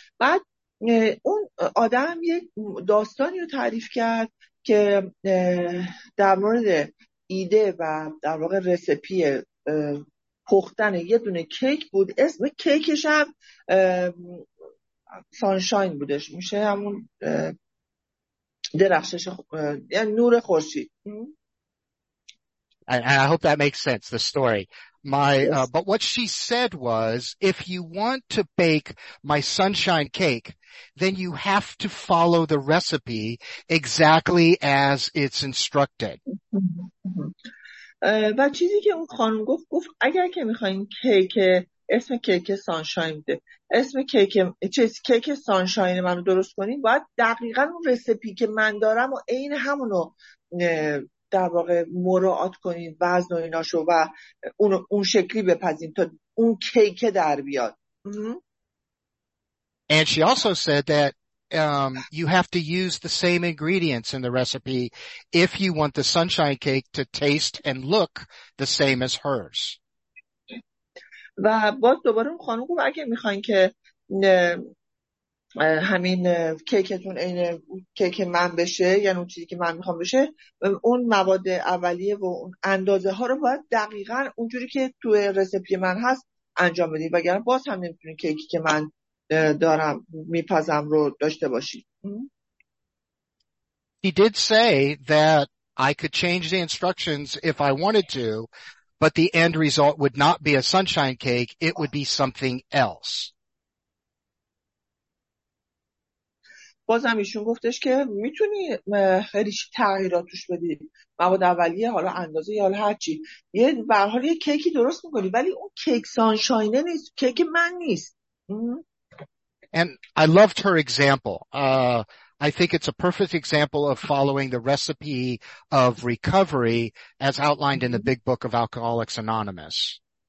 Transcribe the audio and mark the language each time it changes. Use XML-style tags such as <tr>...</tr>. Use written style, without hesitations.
<fa>بعد اون آدم یک داستانی رو تعریف کرد که در مورد ایده و در واقع رسپی پختن یه دونه کیک بود. اسم کیکش هم سانشاین بودش، میشه همون درخشش، یعنی نور خورشید.</fa> <en>I hope that makes sense, the story. But what she said was, if you want to bake my sunshine cake, then you have to follow the recipe exactly as it's instructed.</en> <fa>و چیزی که اون خانم گفت اگر که میخواین کیک، اسم کیک سانشاین ده، اسم کیک سانشاین منو درست کنین، باید دقیقا اون رسیپی که من دارم و این همونو در واقع مراعات کنید وزن و ایناشو و اون شکلی بپزید تا اون کیک در بیاد.</fa> <en>And she also said that you have to use the same ingredients in the recipe if you want the sunshine cake to taste and look the same as hers.</en> <fa>و باز دوباره اون خانم گفت اگه میخواین که همین کیکتون این کیک من بشه، یعنی اون چیزی که من میخوام بشه، اون مواد اولیه و اون اندازه ها رو باید دقیقاً اونجوری که توی رسیپی من هست انجام بدید، وگرنه باز هم نمیتونید کیکی که من دارم میپزم رو داشته باشید.</fa> <en>He did say that I could change the instructions if I wanted to, but the end result would not be a sunshine cake, it would be something else.</en> <fa>بازم ایشون گفتش که میتونی خیلی تغییرات توش بدی، مواد اولیه، حالا اندازه، حالا هرچی، یه به هر حال یه کیکی درست میکنی، ولی اون کیک سانشاینه نیست، کیک من نیست.</fa> <en>And I loved her example. I think it's a perfect example of following the recipe of recovery as outlined in the big book of Alcoholics Anonymous.</en>